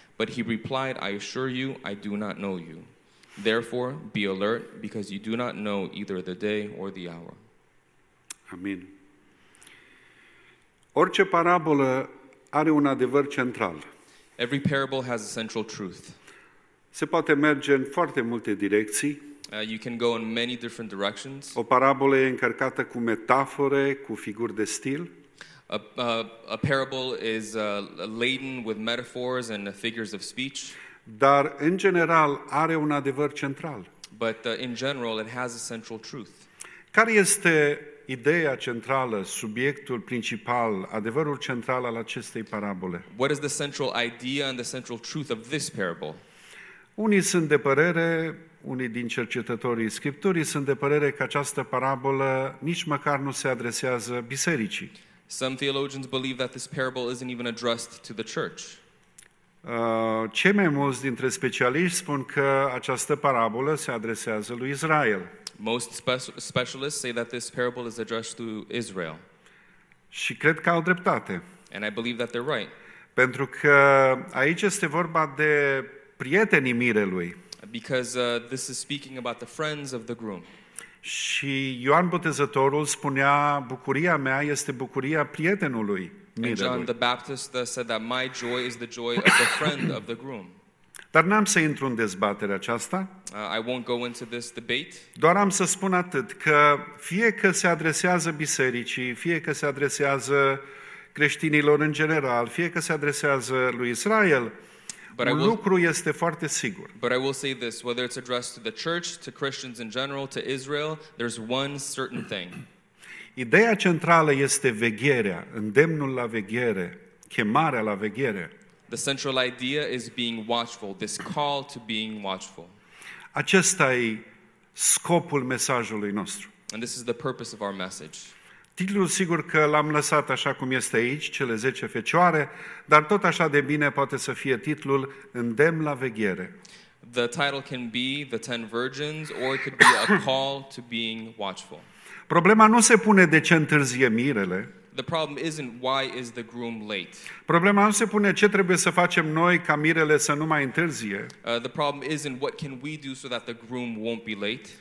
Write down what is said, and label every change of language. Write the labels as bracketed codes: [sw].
[en] But he replied, I assure you, I do not know you. Therefore, be alert, because you do not know either the day or the hour. [ro] Amin. Orice parabolă are un adevăr central. [en] Every parable has a central truth. [ro] Se poate merge în foarte multe direcții. [en] You can go in many different directions. [ro] O parabolă e încărcată cu metafore, cu figuri de stil. [en] A parable is laden with metaphors and figures of speech. [ro] Dar în general are un adevăr central. [en] But in general it has a central truth. [ro] Care este ideea centrală, subiectul principal, adevărul central al acestei parabole? [en] What is the central idea and the central truth of this parable? [ro] Unii sunt de părere, unii din cercetătorii scripturii sunt de părere că această parabolă nici măcar nu se adresează bisericii. [en] Some theologians believe that this parable isn't even addressed to the church. [ro] Cei mai mulți dintre specialiști spun că această parabolă se adresează lui Israel. [en] Most specialists say that this parable is addressed to Israel. [ro] Și cred că au dreptate. [en] And I believe that they're right. [ro] Pentru că aici este vorba de prietenii mirelui. [en] Because this is speaking about the friends of the groom. [ro] Și Ioan Botezătorul spunea: bucuria mea este bucuria prietenului mirelui. [en] And John the Baptist said that my joy is the joy of the friend of the groom. [ro] Dar n-am să intru în dezbaterea aceasta. [en] I won't go into this debate. [ro] Doar am să spun atât, că fie că se adresează bisericii, fie că se adresează creștinilor în general, fie că se adresează lui Israel, lucru este foarte sigur. [en] But I will say this, whether it's addressed to the church, to Christians in general, to Israel, there's one certain thing. [ro] Ideea centrală este vegherea, îndemnul la veghere, chemarea la veghere. [en] The central idea is being watchful, this call to being watchful. [ro] Acesta e scopul mesajului nostru. [en] And this is the purpose of our message. [ro] Titlul sigur că l-am lăsat așa cum este aici, cele 10 fecioare, dar tot așa de bine poate să fie titlul: îndemn la veghere. [en] The title can be The Ten Virgins or it could be A Call to Being Watchful. [ro] Problema nu se pune de ce întârzie mirele. [en] The problem isn't why is the groom late. [ro] Problema nu se pune ce trebuie să facem noi ca mirele să nu mai întârzie. [en] The problem isn't what can we do so that the groom won't be late.